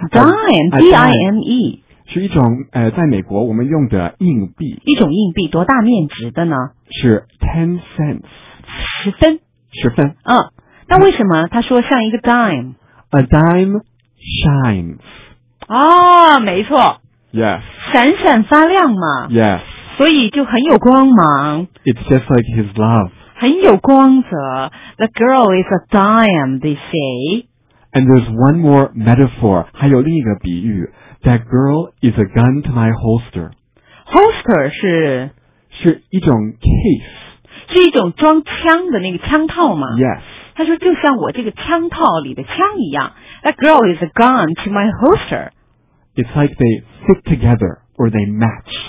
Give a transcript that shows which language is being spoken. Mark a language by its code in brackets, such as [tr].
[en] dime， D I M E。 [zh] 是一种在美国我们用的硬币，一种硬币，多大面值的呢？ [en] 是 ten cents， [zh] 十分。嗯，那为什么他说像一个 dime？ [en] A dime shines。 [zh] 哦，没错。 [en] Yes。 [zh] 闪闪发亮嘛。 [en] Yes。 [zh] 所以就很有光芒。 [en] It's just like his love。 [zh] 很有光泽。 [en] The girl is a dime, they say。 And there's one more metaphor， [zh] 还有另一个比喻。 [en] That girl is a gun to my holster. Holster [zh] 是一种 case，是一种装枪的那个枪套吗？ [en] Yes， [zh] 他说就像我这个枪套里的枪一样。 [en] That girl is a gun to my holster. It's like they fit together or they match.